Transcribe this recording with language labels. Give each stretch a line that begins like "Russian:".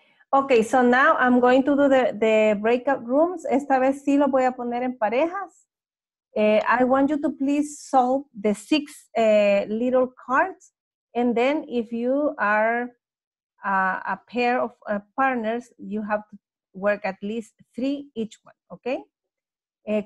English: Ok, so now I'm going to do the breakout rooms.
Spanish: Esta vez sí lo voy a poner en parejas.
English: I want you to please solve the six little cards. And then if you are a pair of partners, you have to work at least three each one, ok?